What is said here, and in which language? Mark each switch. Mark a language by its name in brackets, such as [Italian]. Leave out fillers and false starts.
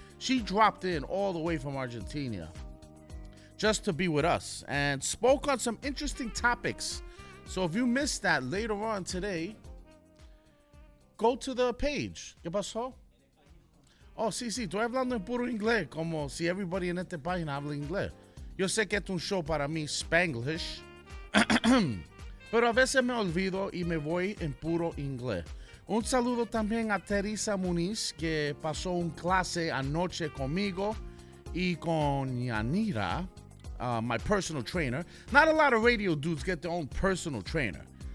[English] She dropped in all the way from Argentina just to be with us and spoke on some interesting topics. So if you missed that later on today, go to the page. [Spanish] ¿Qué pasó? Oh, sí. Estoy hablando en puro inglés, como si [English] everybody [Spanish] en esta página habla inglés. Yo sé que es un show para mí Spanglish. Pero a veces me olvido y me voy en puro inglés. Un saludo también a Teresa Muniz, que pasó un clase anoche conmigo y con Yanira, [English] my personal trainer. Not a lot of radio dudes get their own personal trainer.